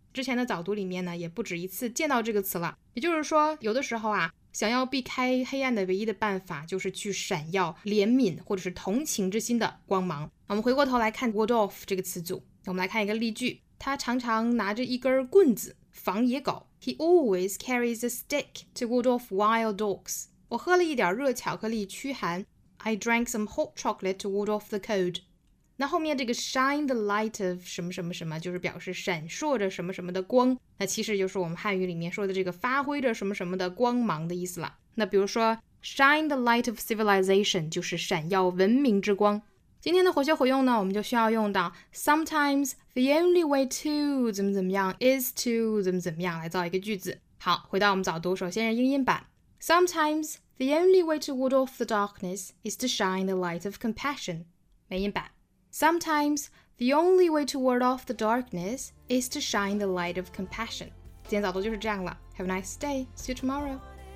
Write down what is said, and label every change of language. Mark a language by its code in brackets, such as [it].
[zh] 之前的早读里面呢，也不止一次见到这个词了。也就是说，有的时候啊，想要避开黑暗的唯一的办法就是去闪耀怜悯或者是同情之心的光芒。我们回过头来看 ward off 这个词组，我们来看一个例句。他常常拿着一根棍子防野狗。 [en] He always carries a stick to ward off wild dogs. [zh] 我喝了一点热巧克力驱寒。 [en] I drank some hot chocolate to ward off the cold. [zh] 那后面这个 [en] shine the light of [zh] 什么什么什么，就是表示闪烁着什么什么的光。那其实就是我们汉语里面说的这个发挥着什么什么的光芒的意思了。那比如说 [en] shine the light of civilization [zh] 就是闪耀文明之光。今天的活学活用呢，我们就需要用到 [en] sometimes the only way to [zh] 怎么怎么样 [en] is to [zh] 怎么怎么样来造一个句子。好，回到我们早读，首先是英音版。 [en] Sometimes the only way to ward off the darkness is to shine the light of compassion. [zh] 美音版。 [en] Sometimes the only way to ward off the darkness is to shine the light of compassion. [zh] 今天早读就是这样了。 [en] Have a nice day. See you tomorrow.